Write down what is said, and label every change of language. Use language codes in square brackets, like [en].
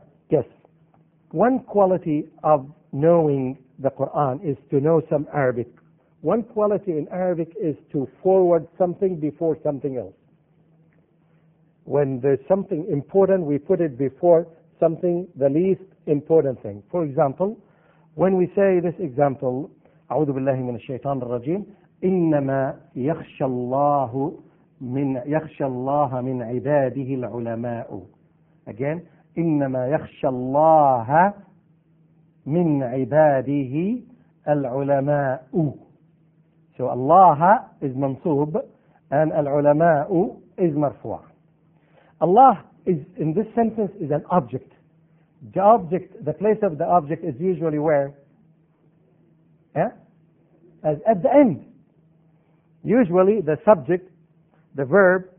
[en] Yes. One quality of knowing the Quran is to know some Arabic. One quality in Arabic is to forward something before something else. When there's something important, we put it before something, the least important thing. For example, when we say this example, [ar] أعوذ بالله من الشيطان الرجيم, إنما يخشى الله من يخشى الله من عباده العلماء. [en] Again, [ar] إنما يخشى الله من عباده العلماء. [en] So الله is منصوب and العلماء is مرفوع. Allah is in this sentence is an object. The object, the place of the object is usually where? As at the end. Usually the subject, the verb,